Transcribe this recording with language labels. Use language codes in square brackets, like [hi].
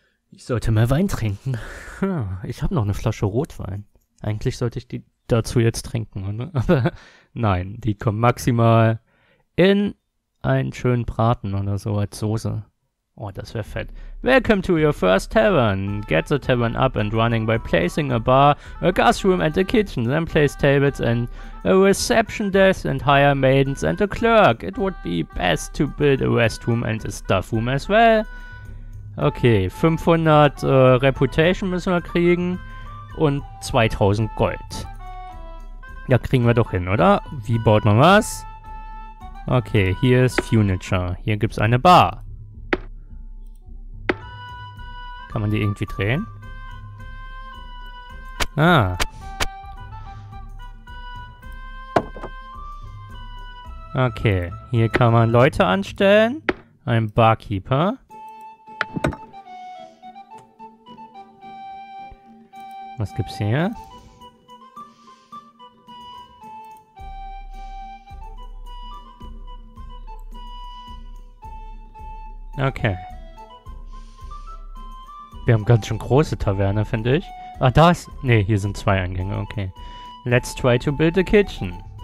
[de] Ich sollte mehr Wein trinken. Ich habe noch eine Flasche Rotwein. Eigentlich sollte ich die dazu jetzt trinken, oder? Aber nein, die kommen maximal in einen schönen Braten oder so als Soße. Oh, das wäre fett. [en] Welcome to your first tavern. Get the tavern up and running by placing a bar, a guest room and a kitchen. Then place tables and a reception desk and hire maidens and a clerk. It would be best to build a rest room and a staff room as well. [de] Okay, 500 Reputation müssen wir kriegen und 2000 Gold. Ja, kriegen wir doch hin, oder? Wie baut man was? Okay, hier ist Funiture. Hier gibt's eine Bar. Kann man die irgendwie drehen? Ah. Okay, hier kann man Leute anstellen. Ein Barkeeper. Was gibt's hier? Okay. Wir haben ganz schön große Taverne, finde ich. Ah, da ist... Ne, hier sind zwei Eingänge, okay. [en] Let's try to build a kitchen.